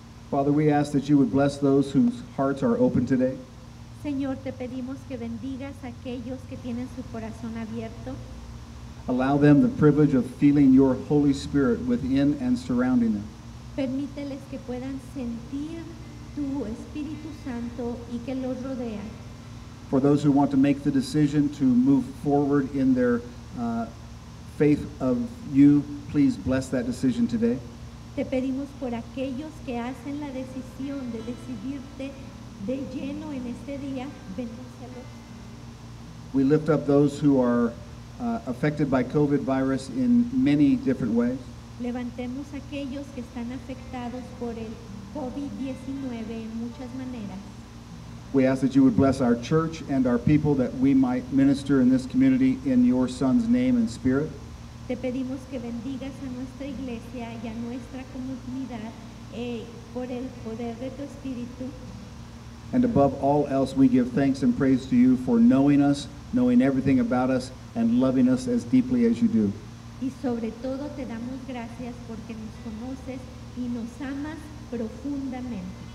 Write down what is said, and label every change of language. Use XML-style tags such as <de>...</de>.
<en>Father, we ask that you would bless those whose hearts are open today.</en> <es>Señor, te pedimos que bendigas a aquellos que tienen su corazón abierto.</es> <en>Allow them the privilege of feeling your Holy Spirit within and surrounding them.</en> <es>Permíteles que puedan sentir tu Espíritu Santo y que los rodea.</es> <en>For those who want to make the decision to move forward in their faith of you, please bless that decision today.</en> <es>Te pedimos por aquellos que hacen la decisión de decidirte de lleno en este día, bendícelos.</es> <en>We lift up those who are affected by COVID virus in many different ways.</en> <es>Levantemos aquellos que están afectados por el COVID-19 en muchas maneras.</es> <en>We ask that you would bless our church and our people that we might minister in this community in your Son's name and spirit.</en> <es>Te pedimos que bendigas a nuestra iglesia y a nuestra comunidad por el poder de tu espíritu.</es> <en>And above all else, we give thanks and praise to you for knowing us, knowing everything about us, and loving us as deeply as you do.</en> <es>Y sobre todo te damos gracias porque nos conoces y nos amas profundamente.</es>